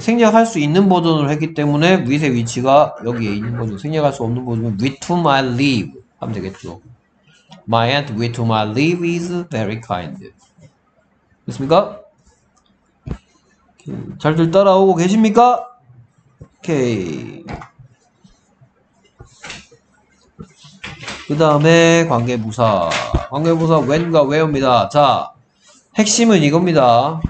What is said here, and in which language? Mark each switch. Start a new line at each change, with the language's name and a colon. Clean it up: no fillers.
Korean: 생략할 수 있는 버전으로 했기 때문에 with의 위치가 여기에 있는 거죠. 생략할 수 없는 버전은
English: with whom I live
Korean: 하면 되겠죠.
English: My aunt with whom I live is very kind.
Korean: 됐습니까? 오케이. 잘들 따라오고 계십니까? 오케이. 그 다음에 관계부사. 관계부사 when과 where입니다. 자, 핵심은 이겁니다.